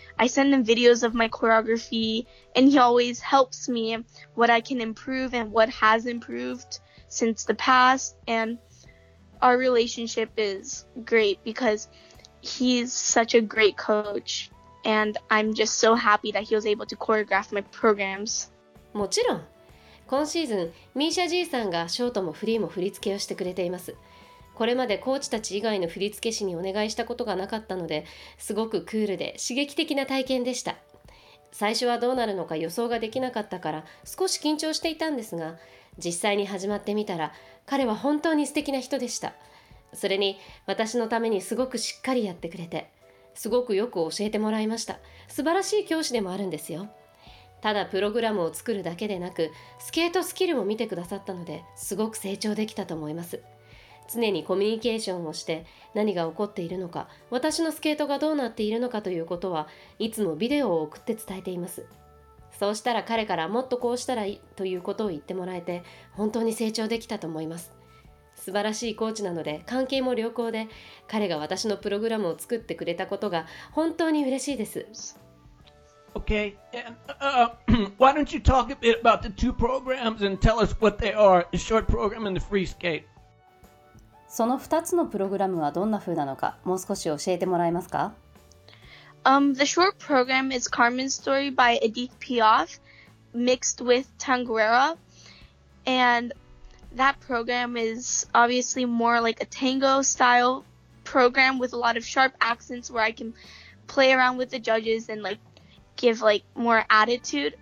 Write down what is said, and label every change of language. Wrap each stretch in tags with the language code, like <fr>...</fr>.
<en>I send him videos of my choreography, and he always helps me what I can improve and what has improved since the past. AndOur relationship is great because he's such a great coach, and I'm just so happy that he was able to choreograph my programs.</en> <ja>もちろん、今シーズン、ミーシャじいさんがショートもフリーも振り付けをしてくれています。これまでコーチたち以外の振り付け師にお願いしたことがなかったので、すごくクールで刺激的な体験でした。最初はどうなるのか予想ができなかったから、少し緊張していたんですが、実際に始まってみたら、彼は本当に素敵な人でした。それに私のためにすごくしっかりやってくれて、すごくよく教えてもらいました。素晴らしい教師でもあるんですよ。ただプログラムを作るだけでなく、スケートスキルも見てくださったので、すごく成長できたと思います。常にコミュニケーションをして、何が起こっているのか、私のスケートがどうなっているのかということは、いつもビデオを送って伝えています。そうしたら彼からもっとこうしたらいいということを言ってもらえて、本当に成長できたと思います。素晴らしいコーチなので、関係も良好で、彼が私のプログラムを作ってくれたことが本当に嬉しいです。</ja> <en>Okay, and why don't you talk a bit about the two programs and tell us what they are, the short program and the free skate.</en> <ja>その2つのプログラムはどんな風なのか、もう少し教えてもらえますか？</ja> <en>The short program is Carmen's Story by Edith Piaf, mixed with Tanguera. And that program is obviously more like a tango style program with a lot of sharp accents where I can play around with the judges and like give like more attitude.</en>